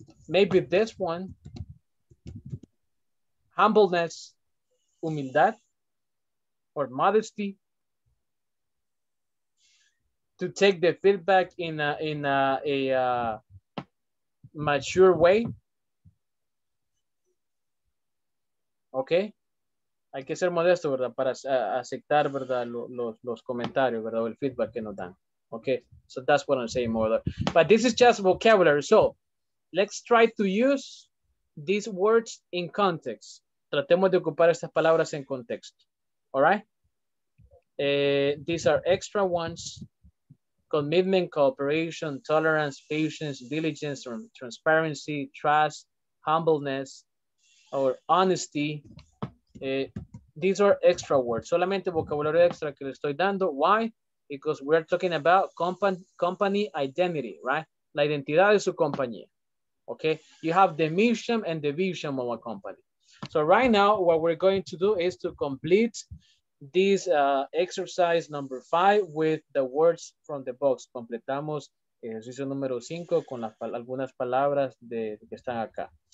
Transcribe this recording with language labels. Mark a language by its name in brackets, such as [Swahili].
[English] Maybe this one, humbleness, humildad, or modesty, to take the feedback in a mature way. [Spanish] Okay, hay que ser modesto, verdad, para aceptar, verdad, los comentarios, verdad, el feedback que nos dan. [English] Okay, so that's what I'm saying more. But this is just vocabulary, so. Let's try to use these words in context. [Spanish] Tratemos de ocupar estas palabras en contexto. [English] All right? These are extra ones. Commitment, cooperation, tolerance, patience, diligence, transparency, trust, humbleness, or honesty. These are extra words. [Spanish] Solamente vocabulario extra que le estoy dando. [English] Why? Because we're talking about company identity, right? [Spanish] La identidad de su compañía. [English] Okay, you have the mission and the vision of a company. So right now, what we're going to do is to complete this exercise number 5 with the words from the box. [Spanish] Completamos ejercicio número 5 con algunas palabras que están acá.